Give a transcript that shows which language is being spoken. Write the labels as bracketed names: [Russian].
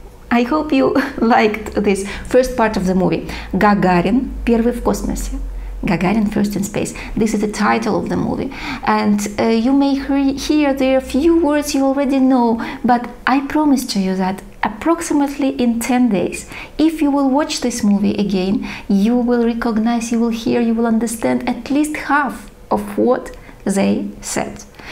[English] I hope you liked this first part of the movie. [Russian] Гагарин, первый в космосе. [English] Gagarin, first in space. This is the title of the movie. And you may hear there a few words you already know, but I promise to you that approximately in 10 days, if you will watch this movie again, you will recognize, you will hear, you will understand at least half of what they said.